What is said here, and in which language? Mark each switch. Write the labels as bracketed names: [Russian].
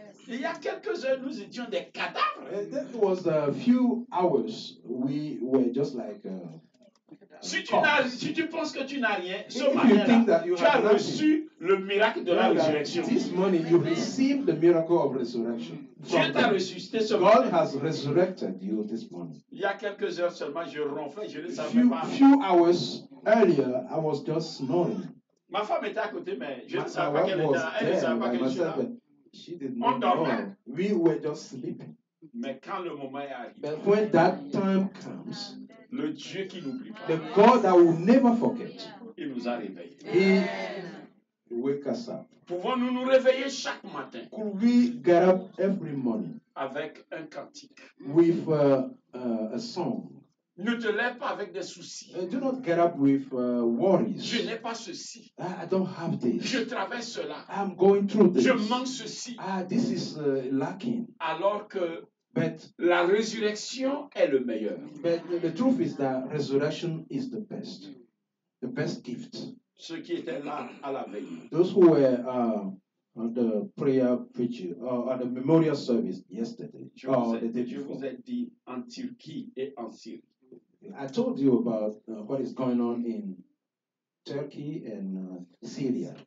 [French] Il y a quelques heures, nous étions des cadavres. [English] That was a few hours. We were just like. [French] Si tu penses que tu n'as rien, ce matin, tu as reçu le miracle de la résurrection. [English] This morning, you received the miracle of resurrection. [French] Dieu t'a ressuscité ce matin. [English] God has resurrected you this morning. [French] Il y a quelques heures seulement, je ronflais, je ne savais pas. [English] Few hours earlier, I was just snoring. [French] Ma femme était à côté, mais je ne savais pas qu'elle était là. Elle ne savait pas qu'elle était là. [English] She did not know. We were just sleeping. [French] Mais quand le moment est arrivé, [English] but when that time comes, [French] le Dieu qui n'oublie pas, [English] the God that will never forget, [French] il nous a réveillés. [English] He wake us up. [French] Pouvons-nous nous réveiller chaque matin? [English] Could we get up every morning? [French] Avec un cantique. [English] With a song. [French] Ne te lève pas avec des soucis. [English] Do not get up with worries. [French] Je n'ai pas ceci. [English] I don't have this. [French] Je traverse cela. [English] I'm going through this. [French] Je manque ceci. [English] This is lacking. [French] Alors que [English] but, [French] la résurrection est le meilleur. [English] But the truth is that resurrection is the best. The best gift. [French] Ceux qui étaient là à la veille. [English] Those who were on the prayer preacher on the memorial service yesterday. [French] Je vous ai dit en Turquie et en Syrie. [English] I told you about what is going on in Turkey and Syria.